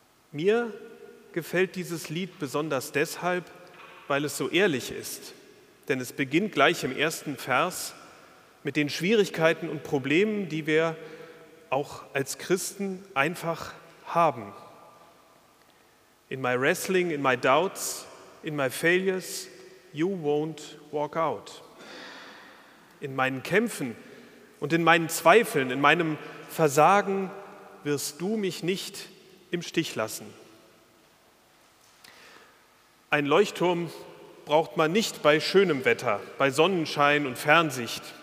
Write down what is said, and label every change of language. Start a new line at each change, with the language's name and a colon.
German: Mir gefällt dieses Lied besonders deshalb, weil es so ehrlich ist. Denn es beginnt gleich im ersten Vers mit den Schwierigkeiten und Problemen, die wir auch als Christen einfach haben.
English: In my wrestling, in my doubts, in my failures, you won't walk out.
German: In meinen Kämpfen und in meinen Zweifeln, in meinem Versagen wirst du mich nicht im Stich lassen. Ein Leuchtturm braucht man nicht bei schönem Wetter, bei Sonnenschein und Fernsicht.